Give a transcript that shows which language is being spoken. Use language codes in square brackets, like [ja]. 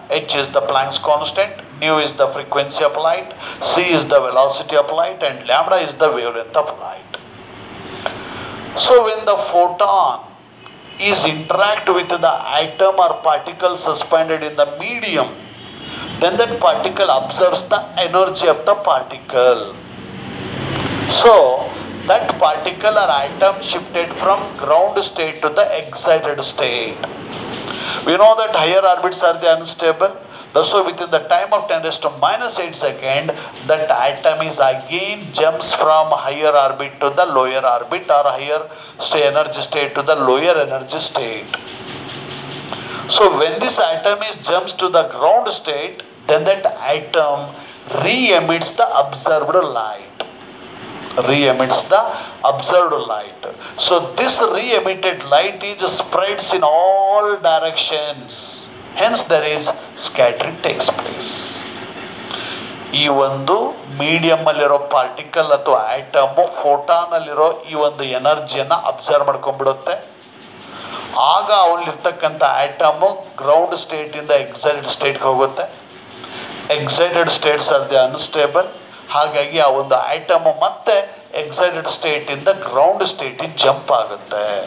[en] H is the Planck's constant, nu is the frequency of light, c is the velocity of light, and lambda is the wavelength of light. So when the photon is interact with the atom or particle suspended in the medium, then that particle observes the energy of the particle. So that particle or atom shifted from ground state to the excited state. We know that higher orbits are the unstable, thus so within the time of 10^-8 seconds that atom is again jumps from higher orbit to the lower orbit or higher state energy state to the lower energy state. So when this atom is jumps to the ground state, then that atom re-emits the observed light. Re-emits the observed light. So this re-emitted light is spreads in all directions. Hence there is scattering takes place. [kn] ಈ ಒಂದು medium ಅಲ್ಲಿರೋ particle ಅಥವಾ atom photon ಅಲ್ಲಿರೋ ಈ ಒಂದು ಎನರ್ಜಿಯನ್ನು observe ಮಾಡ್ಕೊಂಡ್ಬಿಡುತ್ತೆ. ಆಗ ಅವನಲ್ಲಿರ್ತಕ್ಕಂಥ atom ground state ಇಂದ excited ಸ್ಟೇಟ್ಗೆ ಹೋಗುತ್ತೆ. [en] Excited states are the unstable. [kn] ಹಾಗಾಗಿ ಆ ಒಂದು ಐಟಮ್ ಮತ್ತೆ ಎಕ್ಸೈಟೆಡ್ ಸ್ಟೇಟ್ ಇಂದ ಗ್ರೌಂಡ್ ಸ್ಟೇಟಿಗೆ ಜಂಪ್ ಆಗುತ್ತೆ.